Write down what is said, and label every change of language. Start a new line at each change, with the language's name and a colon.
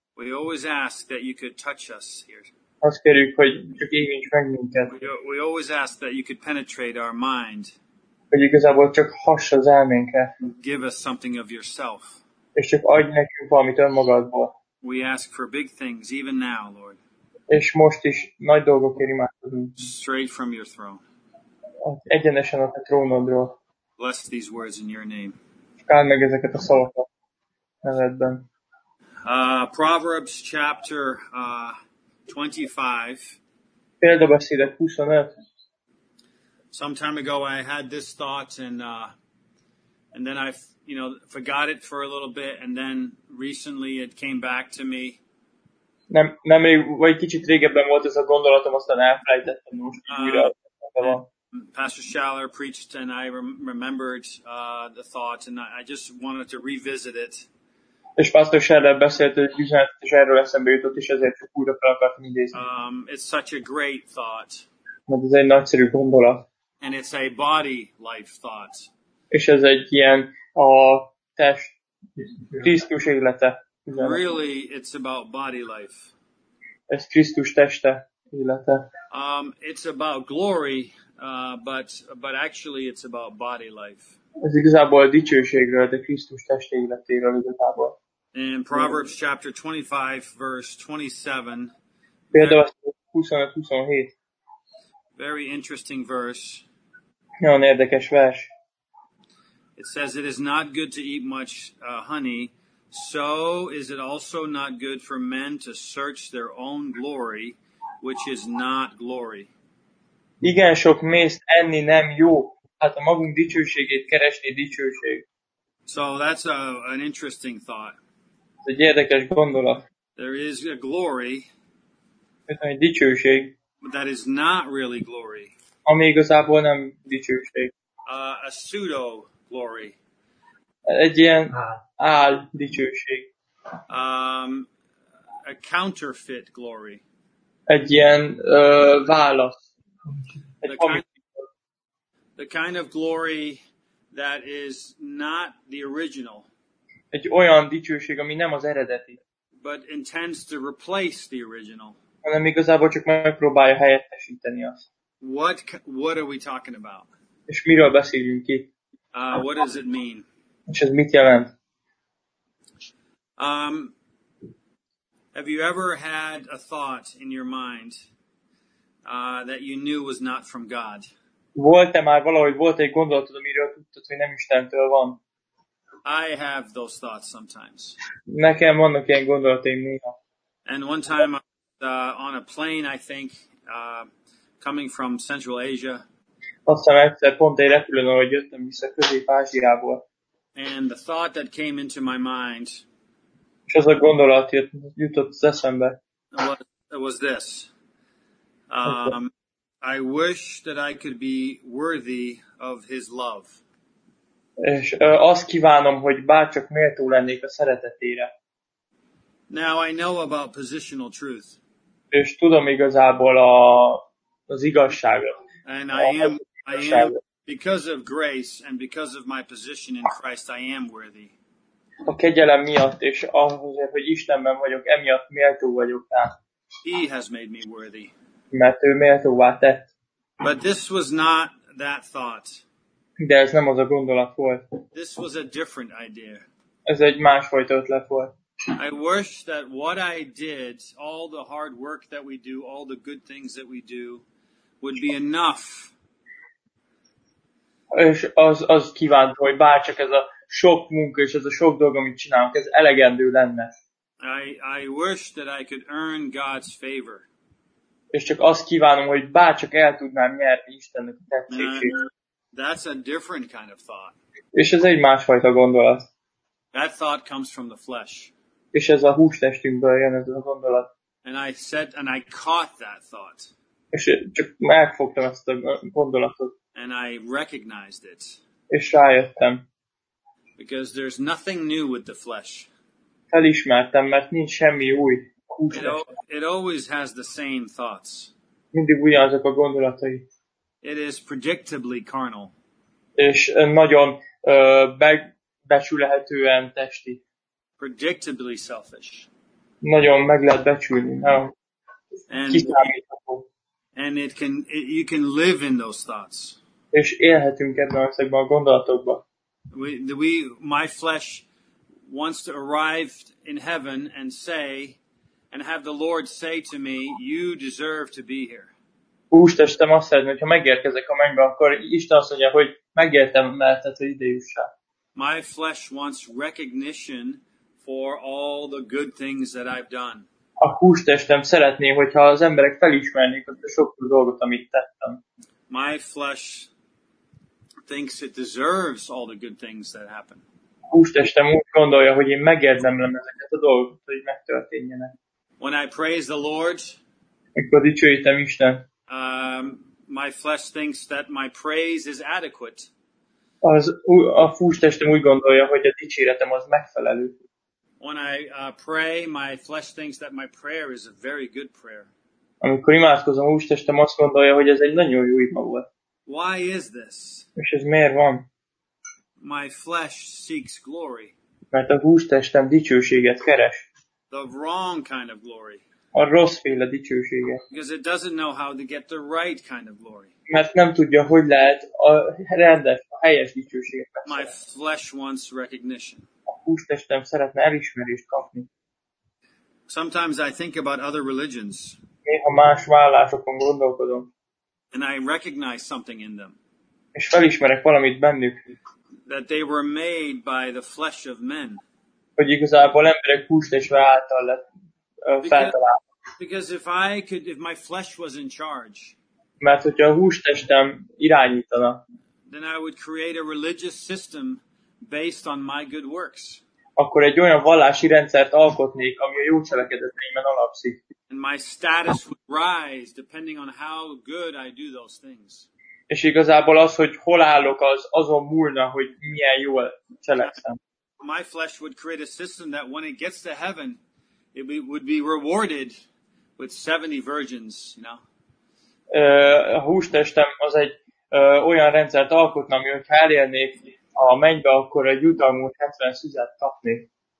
English: We always ask that you could touch us here.
Hungarian: Azt kérünk, hogy csak érints meg minket.
English: We always ask that you could penetrate our mind.
Hungarian: Hogy igazából csak hass az elménket.
English: Give us something of yourself.
Hungarian: És csak adj nekünk valamit önmagadból.
English: We ask for big things even now, Lord.
Hungarian: És most is nagy dolgokért imádkozunk.
English: Straight from your throne.
Hungarian: Egyenesen a te trónodról.
English: Bless these words in your name.
Hungarian: Áld meg ezeket a szavakat nevedben.
English: Proverbs chapter 25.
Hungarian: Példabeszédek 25.
English: Some time ago I had this thought and then I forgot it for a little bit, and then recently it came back to me.
Hungarian: Nem, vagy kicsit régebben volt ez a gondolatom, aztán elfelejtettem, most újra.
English: Pastor Schaller preached, and I remembered the thought, and I just wanted to revisit it.
Hungarian: És Pastor Schaller beszélt, hogy üzenet, és erről eszembe jutott, és ezért csak újra fel akartam idézni.
English: It's such a great thought.
Hungarian: Mert ez egy nagyszerű gondolat.
English: And it's a body life thought.
Hungarian: És ez egy ilyen a test Krisztus élete.
English: Really, it's about body life.
Hungarian: Ez Krisztus teste élete.
English: It's about glory, but actually it's about body life.
Hungarian: Ez igazából a dicsőségről, de Krisztus teste életéről igazából.
English: In Proverbs chapter 25, verse 27.
Hungarian: Például 25-27.
English: Very interesting verse.
Hungarian: Nagyon érdekes vers.
English: It says it is not good to eat much honey, so is it also not good for men to search their own glory, which is not glory.
Hungarian: Igen, sok mézt enni nem jó, hát a magunk dicsőségét keresni dicsőség.
English: So that's an interesting thought.
Hungarian: Ez egy érdekes gondolat.
English: There is a glory.
Hungarian: Ez egy dicsőség.
English: But that is not really glory.
Hungarian: Ami igazából nem dicsőség.
English: A pseudo glory.
Hungarian: Egy ilyen áll dicsőség.
English: A counterfeit glory.
Hungarian: Egy ilyen válasz.
English: The kind of glory that is not the original.
Hungarian: Egy olyan dicsőség, ami nem az eredeti.
English: But intends to replace the original.
Hungarian: Hanem igazából csak megpróbálja helyettesíteni azt.
English: What are we talking about?
Hungarian: És miről beszélünk itt?
English: What does it mean?
Hungarian: És ez mit jelent?
English: Have you ever had a thought in your mind that you knew was not from God?
Hungarian: Volt-e már valahogy, volt egy gondolatod, amiről tudtad, hogy nem Istentől van?
English: I have those thoughts sometimes.
Hungarian: Nekem vannak ilyen gondolataim néha.
English: And one time I was on a plane, I think, coming from Central Asia.
Hungarian: Aztán egyszer pont egy repülőn, ahogy jöttem vissza Közép-Ázsiából.
English: And the thought that came into my mind.
Hungarian: És az a gondolat jutott az eszembe.
English: Was this. I wish that I could be worthy of his love.
Hungarian: És azt kívánom, hogy bárcsak méltó lennék a szeretetére.
English: Now I know about positional truth.
Hungarian: És tudom igazából az igazságot.
English: I am, because of grace and because of my position in Christ, I am worthy.
Hungarian: A kegyelem miatt, és azért, hogy Istenben vagyok, emiatt méltó vagyok rá.
English: He has made me worthy.
Hungarian: Mert ő méltóvá tett.
English: But this was not that thought.
Hungarian: De ez nem az a gondolat volt.
English: This was a different idea.
Hungarian: Ez egy másfajta ötlet volt.
English: I wish that what I did, all the hard work that we do, all the good things that we do, would be enough.
Hungarian: És az kívánt, hogy bárcsak ez a sok munka és ez a sok dolog, amit csinálunk, ez elegendő lenne.
English: I wish that I could earn God's favor.
Hungarian: és csak azt kívánom, hogy bárcsak el tudnám nyerni Istennek a tetszését.
English: That's a different kind of thought.
Hungarian: És ez egy másfajta gondolat.
English: That thought comes from the flesh.
Hungarian: És ez a hústestünkből jön ez a gondolat.
English: And I said, and I caught that thought.
Hungarian: És csak megfogtam ezt a gondolatot.
English: And I recognized it.
Hungarian: És rájöttem.
English: Because there's nothing new with the flesh.
Hungarian: Felismertem, mert nincs semmi új.
English: It always has the same thoughts.
Hungarian: Mindig ugyanazok a gondolatai.
English: It is predictably carnal.
Hungarian: És nagyon megbecsülhetően testi.
English: Predictably selfish.
Hungarian: Nagyon meg lehet becsülni. Kiszámítható.
English: And it can, you can live in those thoughts.
Hungarian: És élhetünk ebben ezekben a gondolatokban.
English: My flesh wants to arrive in heaven and say, and have the Lord say to me, you deserve to be here.
Hungarian: Hústestem azt szeretném, hogyha megérkezek a mennybe, akkor Isten azt mondja, hogy megértem, mert ez ide jussál.
English: My flesh wants recognition for all the good things that I've done.
Hungarian: A hústestem szeretné, hogyha az emberek felismernék a sok dolgot, amit tettem.
English: My flesh thinks it deserves all the good things that happen.
Hungarian: Hústestem úgy gondolja, hogy én megérdemlem ezeket a dolgokat, hogy megtörténjenek.
English: When I praise the Lord,
Hungarian: mikor dicsőítem Istent,
English: my flesh thinks that my praise is adequate.
Hungarian: A hústestem úgy gondolja, hogy a dicséretem az megfelelő.
English: When I pray, my flesh thinks that my prayer is a very good prayer.
Hungarian: Amikor imádkozom, hústestem azt gondolja, hogy ez egy nagyon jó ima volt.
English: Why is this?
Hungarian: És ez miért van?
English: My flesh seeks glory.
Hungarian: Mert a hústestem dicsőséget keres.
English: The wrong kind of glory.
Hungarian: A rosszféle dicsősége.
English: Because it doesn't know how to get the right kind of glory.
Hungarian: Mert nem tudja, hogy lehet a rendes, a helyes dicsőséget.
English: My flesh wants recognition.
Hungarian: A hústestem szeretne elismerést kapni.
English: Sometimes I think about other religions.
Hungarian: Néha más vallásokon gondolkodom.
English: And I recognize something in them.
Hungarian: És felismerek valamit bennük.
English: That they were made by the flesh of men.
Hungarian: Hogy igazából emberek hústestvé által lett feltalálva.
English: Because if I could, if my flesh was in charge.
Hungarian: Mert hogyha a hústestem irányítana.
English: Then I would create a religious system based on my good works.
Hungarian: Akkor egy olyan vallási rendszert alkotnék, ami a jó cselekedeteimen alapszik.
English: And my status would rise depending on how good I do those things.
Hungarian: És igazából az, hogy hol állok, az azon múlna, hogy milyen jól cselekszem.
English: My flesh would create a system that when it gets to heaven, it would be rewarded with 70 virgins, you know.
Hungarian: A hústestem az egy olyan rendszert alkotna, ami hogyha elérnék a mennybe, akkor egy jutalmú 70 szüzet kapnék.